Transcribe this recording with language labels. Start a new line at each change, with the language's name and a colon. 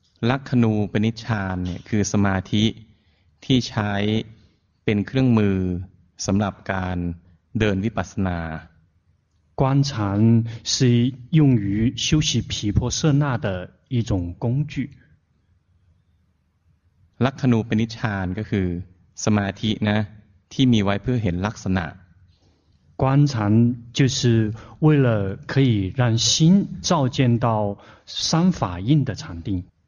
Thai: ลัคนูปนิชฌานเนี่ยคือสมาธิที่ใช้เป็นเครื่องมือสำหรับการเดินวิปัสสนา
Chinese: 观禅是用于修习毗婆舍那的一种工具
Thai: ลัคนูปนิชฌานก็คือสมาธินะที่มีไว้เพื่อเห็นลักษณะ
Chinese: 观禅就是为了可以让心照见到三法印的禅定